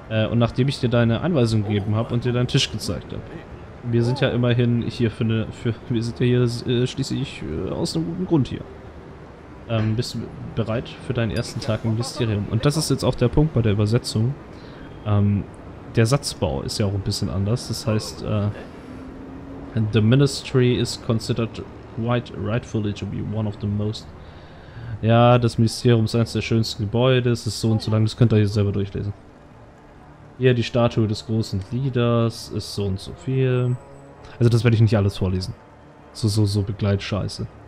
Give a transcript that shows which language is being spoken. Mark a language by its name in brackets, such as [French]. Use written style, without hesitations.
[German] Und nachdem ich dir deine Anweisung gegeben habe und dir deinen Tisch gezeigt habe. Wir sind ja immerhin hier wir sind ja hier schließlich aus einem guten Grund hier. Bist du bereit für deinen ersten Tag im Mysterium? Und das ist jetzt auch der Punkt bei der Übersetzung. Der Satzbau ist ja auch ein bisschen anders. Das heißt, [English] the Ministry is considered quite rightfully to be one of the most... [German] Ja, das Ministerium ist eines der schönsten Gebäude. Es ist so und so lang. Das könnt ihr hier selber durchlesen. Hier die Statue des großen Leaders ist so und so viel. Also das werde ich nicht alles vorlesen. So Begleitscheiße.